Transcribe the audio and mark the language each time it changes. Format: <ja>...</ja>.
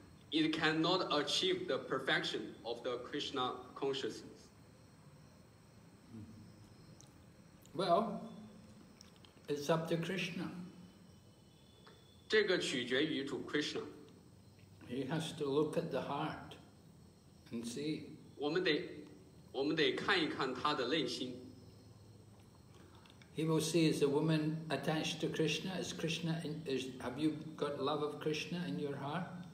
<en>it cannot achieve the perfection of the Krishna consciousness. Well, it's up to Krishna.</en> <zh>这个取决于主 Krishna.</zh> <en>He has to look at the heart and see.</en> <zh>我们得看一看他的内心。</zh> <en>He will see, is a woman attached to Krishna? Is Krishna in, is, have you got love of Krishna in your heart?</en>